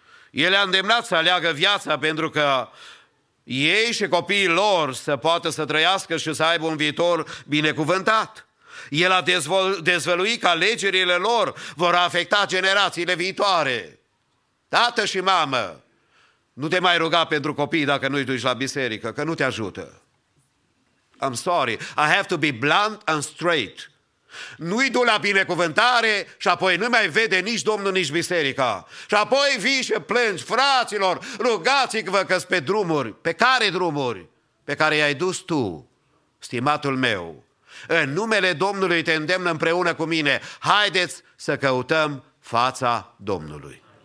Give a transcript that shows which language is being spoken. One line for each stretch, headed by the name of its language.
Romanian: El a îndemnat să aleagă viața pentru că ei și copiii lor să poată să trăiască și să aibă un viitor binecuvântat. El a dezvăluit că alegerile lor vor afecta generațiile viitoare. Tată și mamă, nu te mai ruga pentru copii dacă nu-i duci la biserică, că nu te ajută.
English: I'm sorry, I have to be blunt and straight.
Romanian: Nu-i du la binecuvântare și apoi nu mai vede nici Domnul, nici biserica. Și apoi vii și plângi, fraților, rugați-vă că-s pe drumuri. Pe care drumuri? Pe care i-ai dus tu, stimatul meu. În numele Domnului te îndemn împreună cu mine, haideți să căutăm fața Domnului.